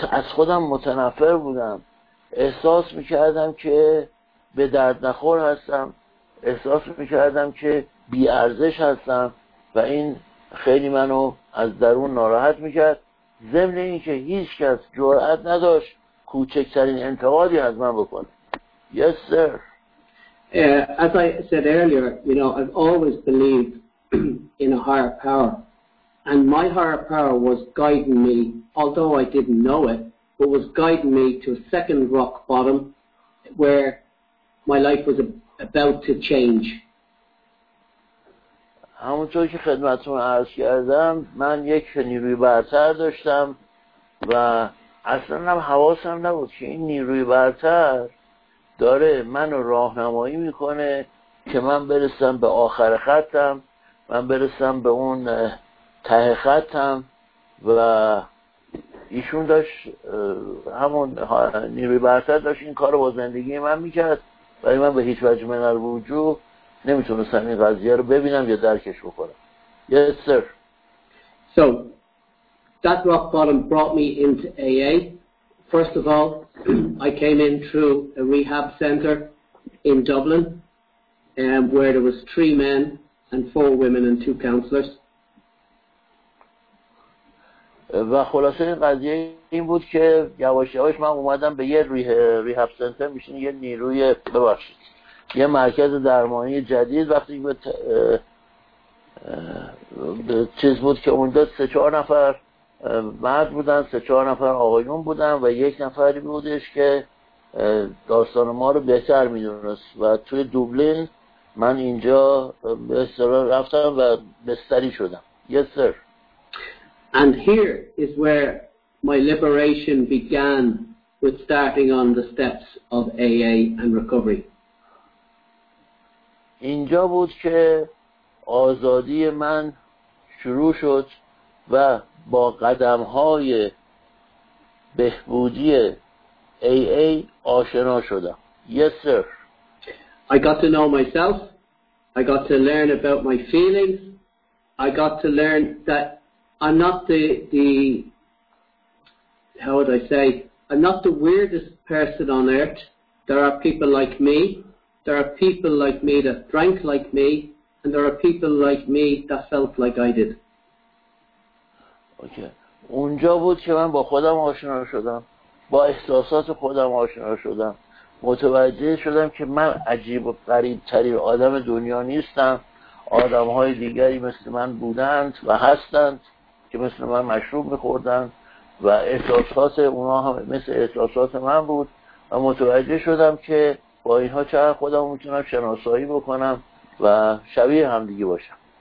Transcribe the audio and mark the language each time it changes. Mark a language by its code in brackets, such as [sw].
[fa] خودم متنفر بودم، احساس می کردم که به درد نخور هستم، احساس می کردم که بی ارزش هستم و این خیلی منو از درون ناراحت میکرد، ضمن اینکه هیچ کس جرأت نداشت کوچکترین انتقادی از من بکنه. [en] Yes sir. As I said earlier, you know, I've always believed in a higher power, and my higher power was guiding me, although I didn't know it, but was guiding me to a second rock bottom where my life was about to change. [fa] همونطور که خدمتتون عرض کردم من یک نیروی برتر داشتم و اصلا هم حواسم نبود که این نیروی برتر داره منو راهنمایی میکنه که من برسم به آخر خطم، من برسم به اون ته خطم و ایشون داشت، همون نیروی برتر داشت این کارو با زندگی من میکرد ولی من به هیچ وجه من رو وجود نمیتونستم این قضیه رو ببینم یا درکش بکنم. [en] Yes sir. So that rock bottom brought me into AA. First of all, I came in through a rehab center in Dublin, where there was 3 men and 4 women and 2 counselors. [fa] و خلاصه این قضیه این بود که یواش یواش من اومدم به یه rehab center، میشین یه نیروی ببخشید یه مرکز درمانی جدید، وقتی به چیز بود که اونجا 3-4 نفر مرد بودن، 3-4 نفر آقایون بودن و یک نفری بودش که داستان ما رو بهتر میدونست و توی دوبلین من اینجا به اصطلاح رفتم و بستری شدم. [en] Yes sir. And here is where my liberation began with starting on the steps of AA and recovery. [fa] اینجا بود که آزادی من شروع شد و با قدم‌های بهبودی AA آشنا شدم. [en] Yes sir. I got to know myself. I got to learn about my feelings. I got to learn that I'm not the weirdest person on earth. There are people like me. There are people like me that drank like me, and there are people like me that felt like I did. Okay. [fa] اونجا بود که من با خودم آشنا شدم. با احساسات خودم آشنا شدم، متوجه شدم که من عجیب و غریب ترین آدم دنیا نیستم، آدم های دیگری مثل من بودند و هستند که مثل من مشروب میخوردند و احساسات اونا هم مثل احساسات من بود، و متوجه شدم که با اینها چقدر خودم میتونم شناسایی بکنم و شبیه هم دیگه باشم.